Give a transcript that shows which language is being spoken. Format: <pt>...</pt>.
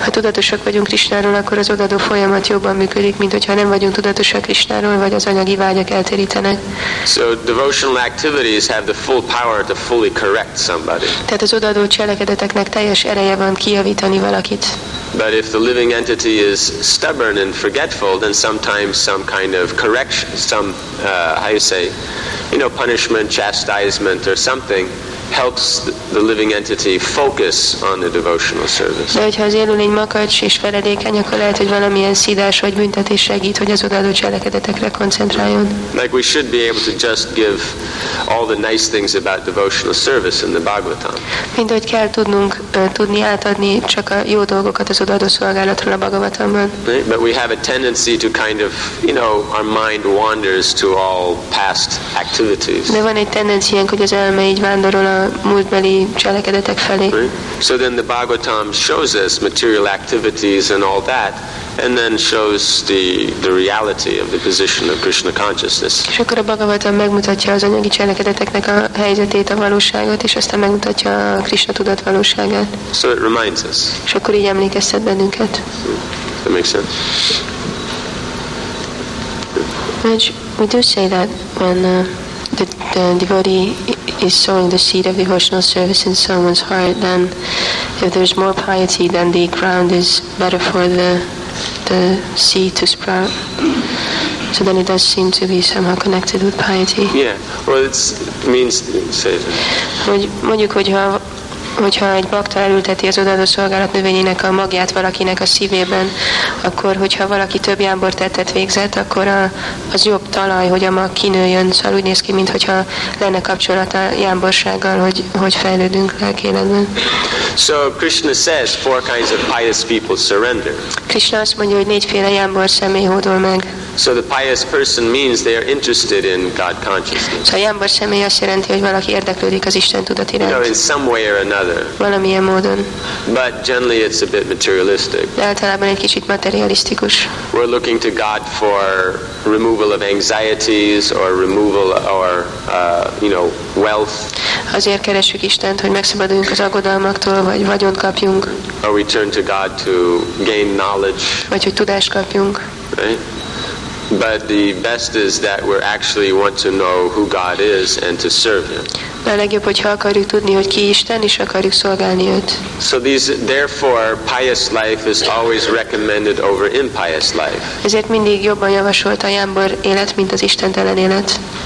<hu>Ha tudatosak vagyunk Krisnáról, akkor az odaadó folyamat jobban működik, mint hogyha nem vagyunk tudatosak Krisnáról, vagy az anyagi vágyak elterítenek.</hu> <en>So devotional activities have the full power to fully correct somebody.</en> <hu>Tehát az odaadó cselekedeteknek teljes ereje van kijavítani valakit.</hu> <en>But if the living entity is stubborn and forgetful, then sometimes some kind of correction, punishment, chastisement or something helps the living entity focus on the devotional service.</en> <hu>De hogyha az élő lény makacs és feledékeny, akkor lehet, hogy valamilyen szidás vagy büntetés segít, hogy az odaadó cselekedetekre koncentráljon.</hu> <en>Like we should be able to just give all the nice things about devotional service in the Bhagavatam.</en> <hu>Mint hogy kell tudni átadni csak a jó dolgokat az odaadó szolgálatról a Bhagavatamban.</hu> <en>But we have a tendency to kind of, you know, our mind wanders to all past activities.</en> <hu>De van egy tendenciánk, hogy az elme így vándorol a múltbeli cselekedetek felé.</hu> <en>Right. So then the Bhagavatam shows us material activities and all that, and then shows the reality of the position of Krishna consciousness.</en> <hu>És akkor a Bhagavatam megmutatja az anyagi cselekedeteknek a helyzetét, a valóságot, és aztán megmutatja a Krishna tudat valóságát.</hu> <en>So it reminds us.</en> <hu>És akkor így emlékeztet bennünket.</hu> <en>Does that make sense? Maj, we do say that when the devotee is sowing the seed of devotional service in someone's heart, then if there's more piety, then the ground is better for the seed to sprout. So then it does seem to be somehow connected with piety. Yeah, well, it means, say it.</en> <hu>Mondjuk, hogyha hogyha egy bakta elülteti az odaadó szolgálat növényének a magját valakinek a szívében, akkor hogyha valaki több jámbortettet végzett, akkor az jobb talaj, hogy a mag kinőjön. Szóval úgy néz ki, mintha lenne kapcsolata jámborsággal, hogy fejlődünk lelkéletben.</hu> <en>So Krishna says four kinds of pious people surrender.</en> <hu>Krishna azt mondja, hogy négyféle jámbor személy hódol meg.</hu> <en>So the pious person means they are interested in God consciousness.</en> <hu>A jámbor személy azt jelenti, hogy valaki érdeklődik az Isten tudat iránt.</hu> <en>You know, in some way or another.</en> <hu>Valamilyen módon.</hu> <en>But generally it's a bit materialistic.</en> <hu>De általában egy kicsit materialisztikus.</hu> <en>We're looking to God for removal of anxieties or removal or wealth.</en> <hu>Azért keresjük Istent, hogy megszabaduljunk az aggodalmaktól, vagy vagyont kapjunk.</hu> <en>Or we turn to God to gain knowledge.</en> <hu>Vagy hogy tudást kapjunk.</hu> <en>Right? But the best is that we actually want to know who God is and to serve Him.</en> <hu>De a legjobb, hogyha akarjuk tudni, hogy ki Isten, és akarjuk szolgálni őt.</hu> <en>So these, therefore, pious life is always recommended over impious life.</en> <hu>Ezért mindig jobban javasolt a jámbor élet, mint az istentelen élet.</hu>